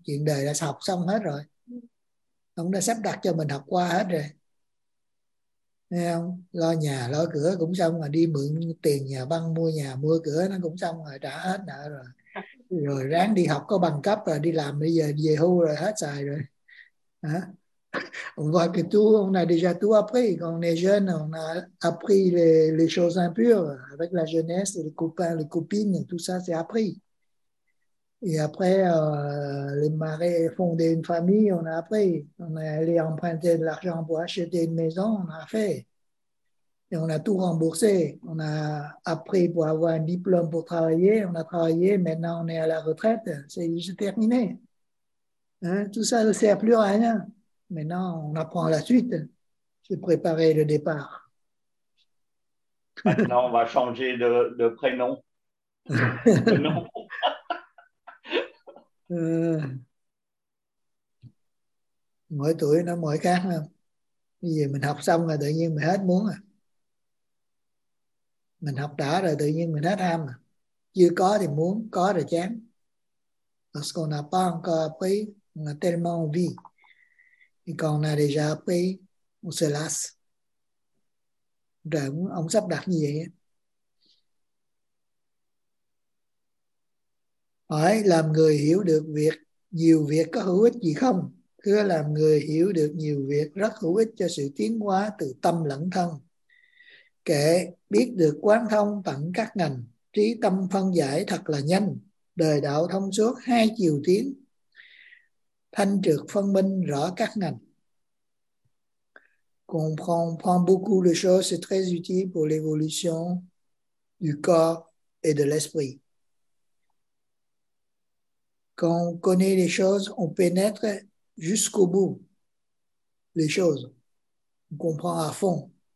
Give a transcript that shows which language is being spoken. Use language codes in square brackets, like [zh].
[vi] Chuyện đời đã học xong hết rồi. Ông đã sắp đặt cho mình học qua hết rồi. Nghe không? Lo nhà, lo cửa cũng xong rồi. Đi mượn tiền nhà băng, mua nhà, mua cửa nó cũng xong rồi. Trả hết nợ rồi. Rồi ráng đi học có bằng cấp rồi. Đi làm bây giờ về hưu rồi. Hết xài rồi. Hả? [fr] On voit que tout, on a déjà tout appris. Quand on est jeune, on a appris les choses impures avec la jeunesse, les copains, les copines, tout ça, c'est appris. Et après, les marais fondé une famille, on a appris. On est allé emprunter de l'argent pour acheter une maison, on a fait. Et on a tout remboursé. On a appris pour avoir un diplôme pour travailler. On a travaillé, maintenant on est à la retraite. C'est terminé. Hein? Tout ça ne sert plus à rien. Maintenant, on apprend la suite. C'est préparer le départ. Maintenant, on va changer de prénom. De nom. [vi] Mỗi tuổi nó mỗi khác. Bây giờ mình học xong rồi tự nhiên mình hết muốn à. Mình học đã rồi tự nhiên mình hết ham à. Chưa có thì muốn, có rồi chán. [fr] Parce qu'on n'a pas encore appris, on a tellement envie. Et quand on a déjà appris, on se lasse. [vi] Rồi ông sắp đặt như vậy. Hỏi làm người hiểu được việc, nhiều việc có hữu ích gì không? Thưa làm người hiểu được nhiều việc rất hữu ích cho sự tiến hóa từ tâm lẫn thân. Kể biết được quán thông tận các ngành, trí tâm phân giải thật là nhanh, đời đạo thông suốt hai chiều tiến, thanh trực phân minh rõ các ngành. [fr] Comprendre beaucoup de choses c'est très utile pour l'évolution du corps et de l'esprit. Quand on connaît les choses, on pénètre jusqu'au bout les choses. On comprend à fond.